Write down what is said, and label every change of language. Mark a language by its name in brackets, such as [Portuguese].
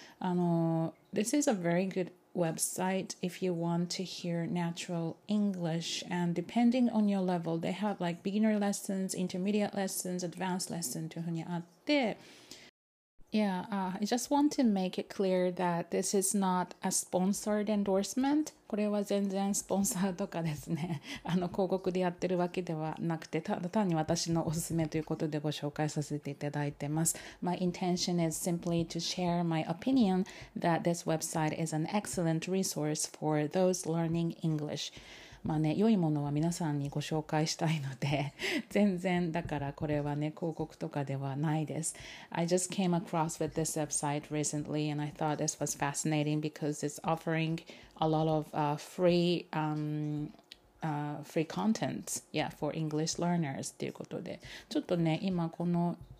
[English] This is a very good website if you want to hear natural English, and depending on your level they have like beginner lessons, intermediate lessons, advanced lessons [Japanese] というふうにあって、 [English] Yeah, I just want to make it clear that this is not a sponsored endorsement. [Japanese] これは全然スポンサーとかですね、あの広告でやってるわけではなくて、ただ単に私のおすすめということでご紹介させていただいてます。 [English] My intention is simply to share my opinion that this website is an excellent resource for those learning English. [Japanese] まあね、良いものは皆さんにご紹介したいので全然だからこれはね広告とかではないです。 [English] I just came across with this website recently and I thought this was fascinating because it's offering a lot of free contents, yeah, for English learners [Japanese] ということで、ちょっとね今この